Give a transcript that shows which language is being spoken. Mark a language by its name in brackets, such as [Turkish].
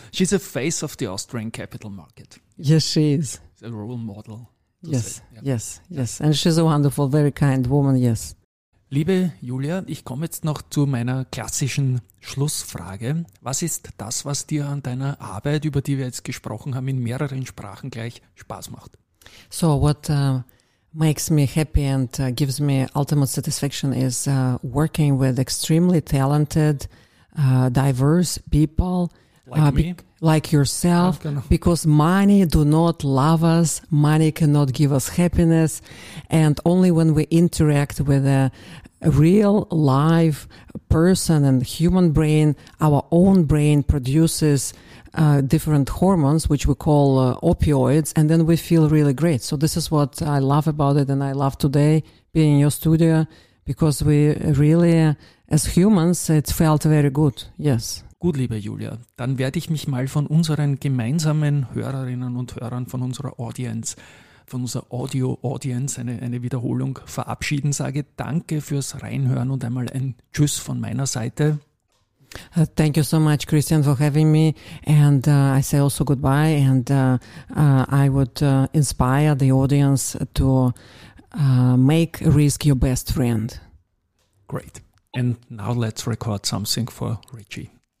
[English] She's a face of the Austrian capital market. Yes, she is. A role model. Yes, yeah. Yes, yes. And she's a wonderful, very kind woman, yes. [German] Liebe Julia, ich komme jetzt noch zu meiner klassischen Schlussfrage. Was ist das, was dir an deiner Arbeit, über die wir jetzt gesprochen haben, in mehreren Sprachen gleich Spaß macht? [English] So, what makes me happy and gives me ultimate satisfaction is working with extremely talented, diverse people. Like me? Like yourself, because money do not love us, money cannot give us happiness, and only when we interact with a real live person and human brain, our own brain produces different hormones, which we call opioids, and then we feel really great. So this is what I love about it, and I love today being in your studio, because we really, as humans, it felt very good, yes. [German] Gut, liebe Julia, dann werde ich mich mal von unseren gemeinsamen Hörerinnen und Hörern, von unserer Audience, von unserer Audio-Audience eine Wiederholung verabschieden. Sage danke fürs Reinhören und einmal ein Tschüss von meiner Seite. [English] Thank you so much, Christian, for having me. And I say also goodbye. And I would inspire the audience to make risk your best friend. Great. And now let's record something for Richie.